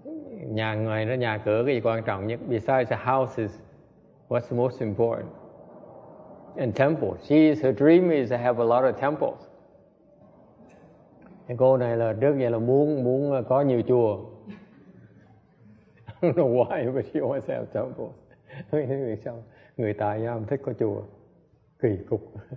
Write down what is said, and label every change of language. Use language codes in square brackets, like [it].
[vi] Nhà ngoài nó nhà cửa cái gì quan trọng nhất? [en] Besides the houses, what's the most important? And temples. Her dream is to have a lot of temples. [vi] Cái cô này là trước giờ là muốn có nhiều chùa. [en] I don't know why, but she wants to have temples. [vi] Vì sao? Người tài gia không thích có chùa. Kỳ cục.